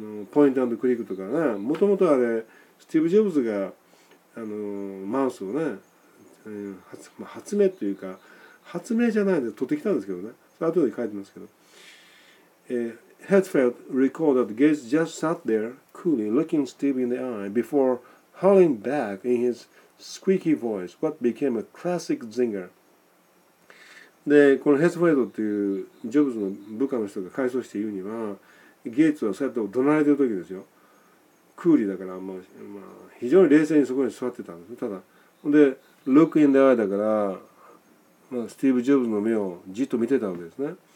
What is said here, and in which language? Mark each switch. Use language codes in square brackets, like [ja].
[ja] ポイント&クリックとかね。もともとあれ、スティーブ・ジョブズが、マウスをね、発明というか、発明じゃないんで取ってきたんですけどね。それ後で書いてますけど。 [en] Hetfield recalled that Gates just sat there coolly looking Steve in the eye before hurling back in his squeaky voice what became a classic zinger。 [ja] で、このヘッドフェルドっていうジョブズの部下の人が回想して言うには、ゲイツはそうやって怒鳴られてる時ですよ、クーリーだから、非常に冷静にそこに座ってたんです。ただで [en] look in the eye [ja] だから、スティーブ・ジョブズの目をじっと見てたわけですね。